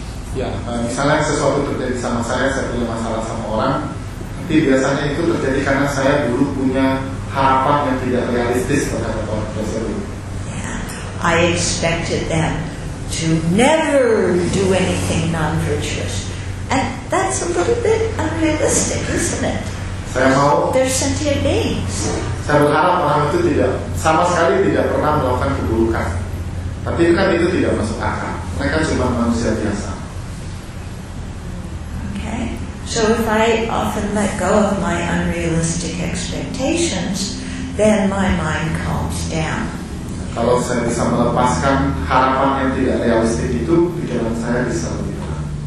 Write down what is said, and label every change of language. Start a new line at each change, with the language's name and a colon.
Indonesian: Ya, misalnya sesuatu terjadi sama saya punya masalah sama orang, tapi biasanya itu terjadi karena saya dulu punya harapan yang tidak realistis terhadap orang tersebut.
English: Yeah, I expected them to never do anything non-virtuous, and that's a little bit unrealistic, isn't it?
Indonesian: Saya mau.
English: They're sentient beings.
Indonesian: Saya berharap orang itu tidak sama sekali tidak pernah melakukan keburukan, tapi kan itu tidak masuk akal. Mereka cuma manusia biasa.
English: So if I often let go of my unrealistic expectations, then my mind calms down.
Indonesian: Kalau saya bisa melepaskan harapan yang tidak realistik itu, pikiran saya bisa lebih tenang.